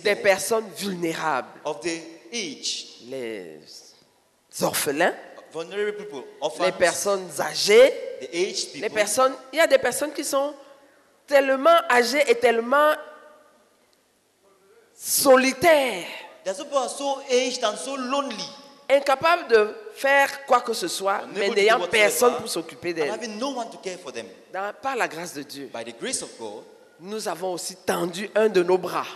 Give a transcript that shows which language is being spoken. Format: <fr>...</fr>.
<fr>des personnes vulnérables,</fr> <en>of the age,</en> <fr>les orphelins,</fr> <en>vulnerable people, orphans,</en> <fr>les personnes âgées,</fr> <en>the aged people,</en> <fr>les personnes, il y a des personnes qui sont tellement âgées et tellement solitaires,</fr> <en>there's people who are so aged and so lonely,</en> <fr>incapable de faire quoi que ce soit, mais n'ayant personne pour s'occuper d'elle. Par la grâce de Dieu,</fr> <en>by the grace of God,</en> <fr>nous avons aussi tendu un de nos bras</fr>